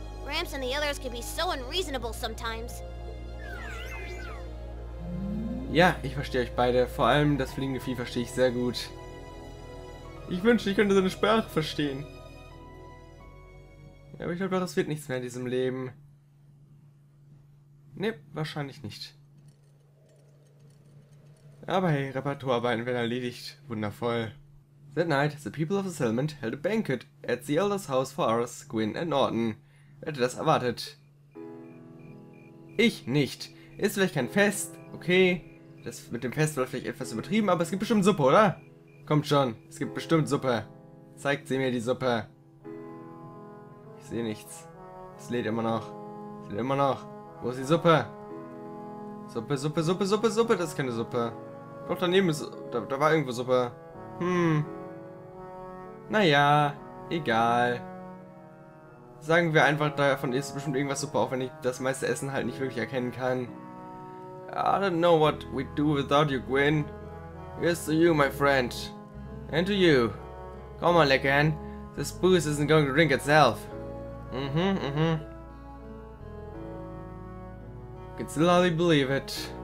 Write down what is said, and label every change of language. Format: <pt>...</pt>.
<en>Gramps and the others can be so unreasonable sometimes.</en> <de>Ja, ich verstehe euch beide. Vor allem das fliegende Vieh verstehe ich sehr gut. Ich wünschte, ich könnte seine Sprache verstehen. Ja, aber ich glaube, das wird nichts mehr in diesem Leben. Ne, wahrscheinlich nicht. Aber hey, Reparaturarbeiten werden erledigt. Wundervoll.</de> <en>That night, the people of the settlement held a banquet at the elder's house for us, Gwyn and Norton.</en> <de>Wer hätte das erwartet? Ich nicht. Ist vielleicht kein Fest, okay. Das mit dem Fest war vielleicht etwas übertrieben, aber es gibt bestimmt Suppe, oder? Kommt schon, es gibt bestimmt Suppe. Zeigt sie mir die Suppe. Ich sehe nichts. Es lädt immer noch. Es lädt immer noch. Wo ist die Suppe? Suppe, Suppe, Suppe, Suppe, Suppe. Das ist keine Suppe. Doch, daneben ist... Da war irgendwo Suppe. Naja, egal. Sagen wir einfach, davon ist bestimmt irgendwas Suppe, auch wenn ich das meiste Essen halt nicht wirklich erkennen kann.</de> <en>I don't know what we'd do without you, Gwyn. Here's to you, my friend. And to you. Come on, Lekan. This booze isn't going to drink itself. Could still hardly believe it.</en>